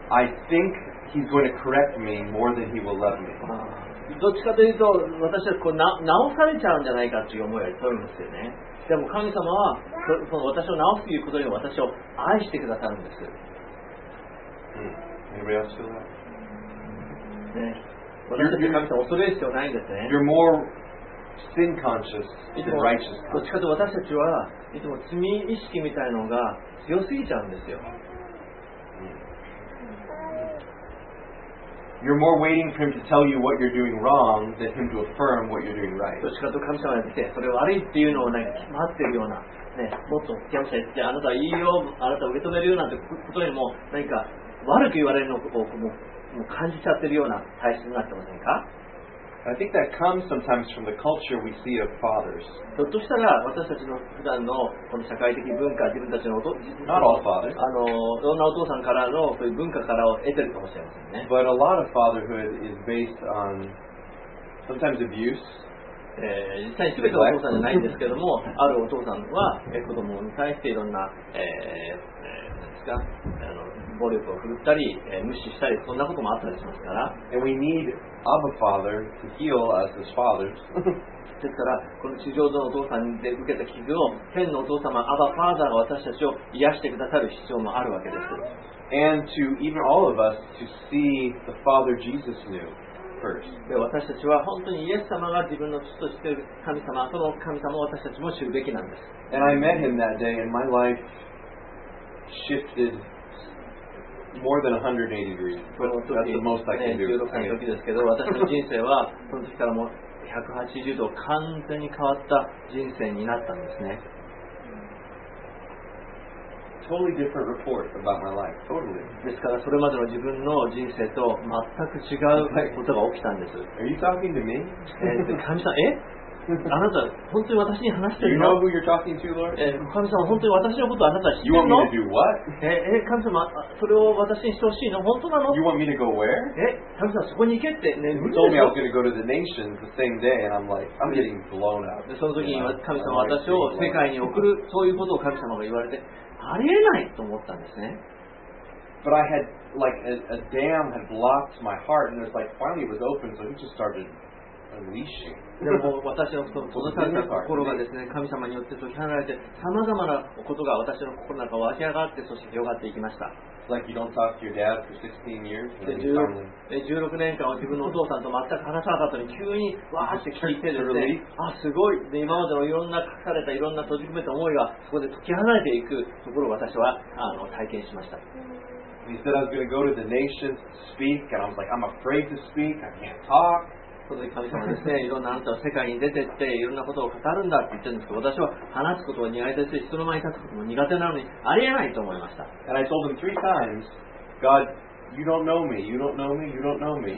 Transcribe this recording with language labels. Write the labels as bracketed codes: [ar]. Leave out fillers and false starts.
[en] I think He's going to correct me more than He will love me. [ja] どっちかというと私はこう直されちゃうんじゃないかという思いを取るんですよね。でも神様はその私を直すということで私を愛してくださるんです。 [en] Anybody else feel that? [ja] 私たち神様を恐れる必要ないんですね。 [en] You're more sin conscious than righteous. [ja] どっちかというと私たちはいつも罪意識みたいなのが強すぎちゃうんですよ。 [en] You're more waiting for him to tell you what you're doing wrong than him to affirm what you're doing right. [ja] どっちかと神様が来て、それ悪いっていうのを、ね、待ってるような、ね、もっと神様が来て、あなたはいいよ、あなたを受け止めるようなんてことにも、何か悪く言われるのをもう感じちゃってるような体質になってませんか? [en] I think that comes sometimes from the culture we see of fathers. [ja] ひょっとしたら、私たちの普段のこの社会的文化、自分たちの [en] Not all fathers. [ja] いろんなお父さんからのそういう文化からを得てるかもしれません。 [en] But a lot of fatherhood is based on sometimes abuse. [ja] 実際すべてお父さんじゃないんですけども、あるお父さんは子供に対していろんな、ですか、暴力を振るったり、無視したり、そんなこともあったりしますから。 [en] And we need Abba Father to heal us as fathers. [ja] ですから、この地上のお父さんで受けた傷を、天のお父様、Abba Father が私たちを癒してくださる必要もあるわけです。 [en] And to even all of us to see the Father Jesus knew first. [ja] で私たちは本当にイエス様が自分の父として神様、その神様を私たちも知るべきなんです。 [en] And I met him that day, and my life shifted more than 180 degrees. That's the most I can do. [ja] 16歳の時ですけど、私の人生はその時からもう180度完全に変わった人生になったんですね。 [en] Totally different report about my life. Totally. [ja] ですからそれまでの自分の人生と全く違うことが起きたんです。 [en] Are you talking to me? [ja] 神様、え？あなた本当に私に話してるの？ [en] Do you know who you're talking to, Lord? [ja] 神様、本当に私のことあなたは知ってるの？ [en] You want me to do what? [ja] 神様、それを私にしてほしいの？本当なの？ [en] You want me to go where? [ja] 神様、そこに行けって、ね、 [en] You told me I was going to go to the nations the same day, and I'm like, I'm getting blown up. [ja] でその時に神様、私を世界に送る、そういうことを神様が言われて、ありえないと思ったんですね。 [en] But I had like a dam had blocked my heart, and it was like finally it was open, so he just started unleashing. [ja] でも私の閉ざされた心がですね、神様によって解き放たれて、さまざまなことが私の心の中湧き上がって、そして広がっていきました。 [en] Like you don't talk to your dad for 16 years. [ja] で16年間は自分のお父さんと全く話さなかったのに、急にわーって聞いてですね。あ、すごい。で、今までのいろんな隠されたいろんな閉じ込めた思いがそこで解き放たれていくところを私は体験しました。 [en] He said I was going to go to the nations to speak, and I was like, I'm afraid to speak. I can't talk. [ja] その時神様ですね、いろんなあなたは世界に出てっていろんなことを語るんだって言ってるんですけど、私は話すことが苦手ですし、人の前に立つことも苦手なのにありえないと思いました。 [en] And I told him three times, God You don't know me, you don't know me, you don't know me.